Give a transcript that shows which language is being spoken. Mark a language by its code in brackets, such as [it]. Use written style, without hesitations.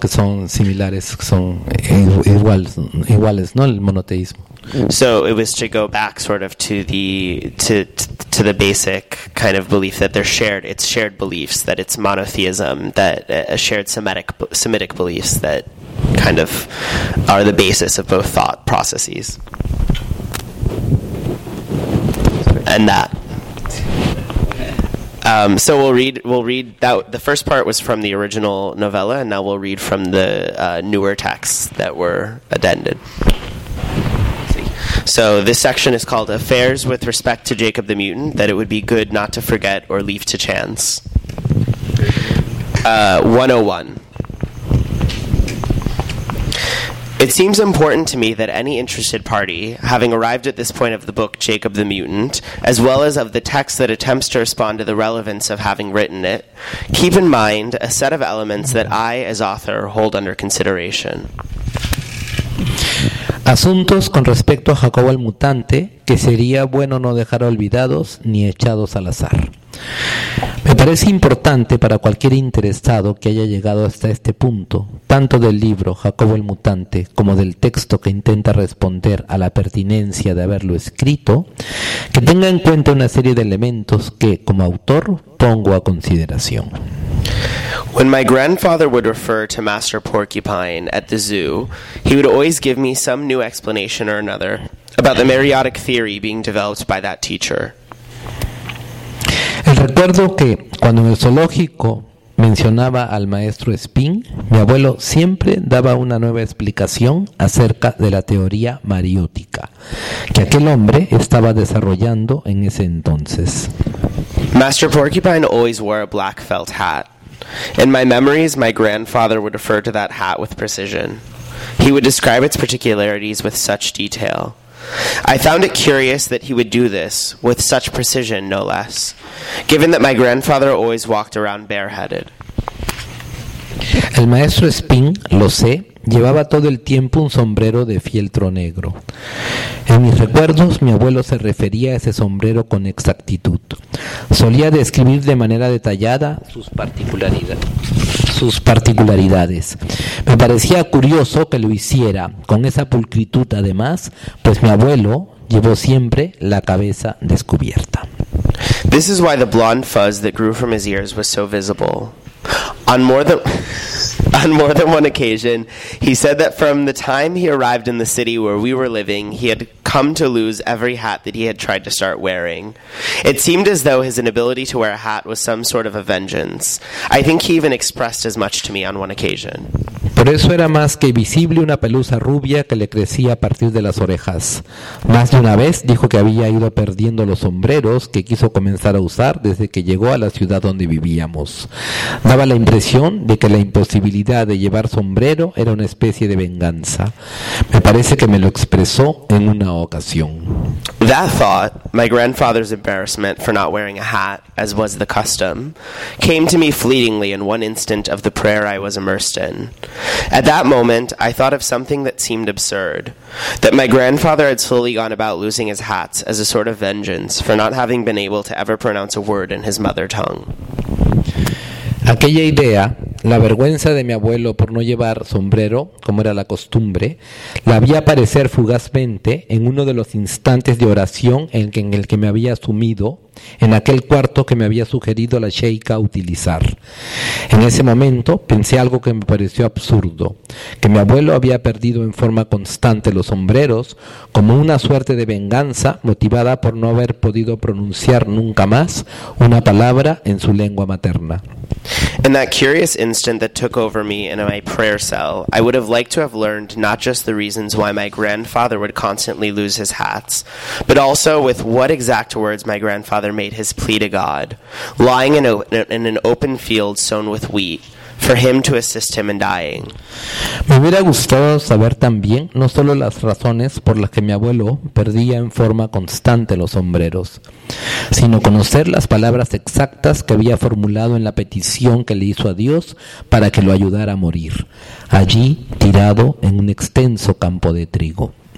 [es] Que son similares, son iguales, ¿no? El monoteísmo. [en] So it was to go back sort of to the basic kind of belief that they're shared. It's shared beliefs, that it's monotheism, that a shared Semitic beliefs that kind of are the basis of both thought processes. And that. So we'll read that. The first part was from the original novella, and now we'll read from the newer texts that were addended. So this section is called Affairs with Respect to Jacob the Mutant, that it would be good not to forget or leave to chance. 101. It seems important to me that any interested party, having arrived at this point of the book Jacob the Mutant, as well as of the text that attempts to respond to the relevance of having written it, keep in mind a set of elements that I, as author, hold under consideration. [es] Asuntos con respecto a Jacobo el Mutante que sería bueno no dejar olvidados ni echados al azar. Me parece importante para cualquier interesado que haya llegado hasta este punto, tanto del libro Jacobo el Mutante como del texto que intenta responder a la pertinencia de haberlo escrito, que tenga en cuenta una serie de elementos que, como autor, pongo a consideración. [en] When my grandfather would refer to Master Porcupine at the zoo, he would always give me some new explanation or another about the meiotic theory being developed by that teacher. [es] Recuerdo que cuando en el zoológico mencionaba al maestro Spin, mi abuelo siempre daba una nueva explicación acerca de la teoría mariótica que aquel hombre estaba desarrollando en ese entonces. [en] Master Porcupine always wore a black felt hat. In my memories, my grandfather would refer to that hat with precision. He would describe its particularities with such detail. I found it curious that he would do this, with such precision, no less, given that my grandfather always walked around bareheaded. [es] El maestro Spin, lo sé, llevaba todo el tiempo un sombrero de fieltro negro. En mis recuerdos, mi abuelo se refería a ese sombrero con exactitud. Solía describir de manera detallada sus particularidades. Me parecía curioso que lo hiciera con esa pulcritud, además, pues mi abuelo llevó siempre la cabeza descubierta. [en] This is why the blonde fuzz that grew from his ears was so visible. On more than one occasion, he said that from the time he arrived in the city where we were living, he had come to lose every hat that he had tried to start wearing. It seemed as though his inability to wear a hat was some sort of a vengeance. I think he even expressed as much to me on one occasion. [es] Por eso era más que visible una pelusa rubia que le crecía a partir de las orejas. Más de una vez dijo que había ido perdiendo los sombreros que quiso comenzar a usar desde que llegó a la ciudad donde vivíamos. Daba la impresión de que la imposibilidad de llevar sombrero era una especie de venganza. Me parece que me lo expresó en una ocasión. [en] That thought, my grandfather's embarrassment for not wearing a hat, as was the custom, came to me fleetingly in one instant of the prayer I was immersed in. At that moment, I thought of something that seemed absurd, that my grandfather had slowly gone about losing his hats as a sort of vengeance for not having been able to ever pronounce a word in his mother tongue. [es] Aquella idea, la vergüenza de mi abuelo por no llevar sombrero, como era la costumbre, la vi aparecer fugazmente en uno de los instantes de oración en el que me había sumido, en aquel cuarto que me había sugerido la Sheikha utilizar. En ese momento pensé algo que me pareció absurdo, que mi abuelo había perdido en forma constante los sombreros como una suerte de venganza motivada por no haber podido pronunciar nunca más una palabra en su lengua materna. [en] In that curious instant that took over me in my prayer cell, I would have liked to have learned not just the reasons why my grandfather would constantly lose his hats, but also with what exact words my grandfather made his plea to God, lying in an open field sown with wheat, for him to assist him in dying. [es] Me hubiera gustado saber también no solo las razones por las que mi abuelo perdía en forma constante los sombreros, sino conocer las palabras exactas que había formulado en la petición que le hizo a Dios para que lo ayudara a morir, allí tirado en un extenso campo de trigo.